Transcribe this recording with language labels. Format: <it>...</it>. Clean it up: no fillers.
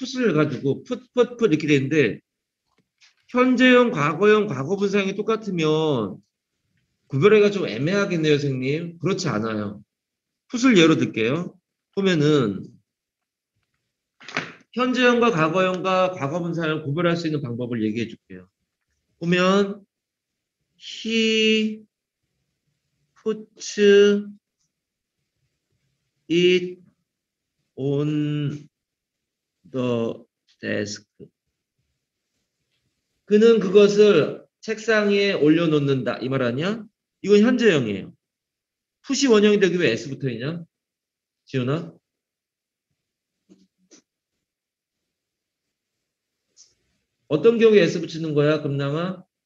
<ko>풋을 가지고 풋풋풋 이렇게 되는데 현재형, 과거형, 과거분사형이 똑같으면 구별하기가 좀 애매하겠네요, 선생님. 그렇지 않아요. 풋을 예로 들게요. 보면은 현재형과 과거형과 과거분사형을 구별할 수 있는 방법을 얘기해 줄게요.</ko> <en>보면 he puts it on the desk.</en> <ko>그는 그것을 책상 위에 올려놓는다. 이말 아니야? 이건 현재형이에요. 푸시 원형이 되기 왜 S부터이냐? 지훈아? 어떤 경우에 S 붙이는 거야? 금남아?</ko>